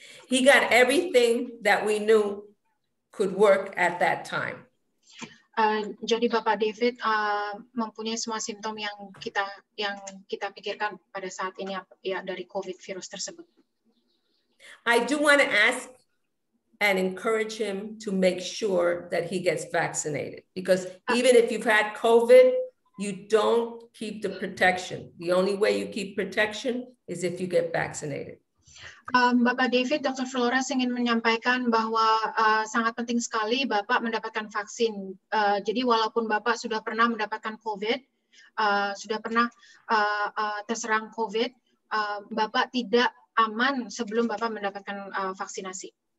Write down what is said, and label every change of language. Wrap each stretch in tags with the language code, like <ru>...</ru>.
<en>He got everything that we knew could work at that time.</en> <id>Jadi Bapak David mempunyai semua simptom yang kita pikirkan pada saat ini ya dari COVID virus tersebut.</id> <en>I do want to ask and encourage him to make sure that he gets vaccinated because even if you've had COVID, you don't keep the protection. The only way you keep protection is if you get vaccinated.</en> <id>Bapak David, Dr. Flores ingin menyampaikan bahwa sangat penting sekali Bapak mendapatkan vaksin. Jadi walaupun Bapak sudah pernah mendapatkan COVID, sudah pernah terserang COVID, Bapak tidak aman sebelum Bapak mendapatkan vaksinasi.</id>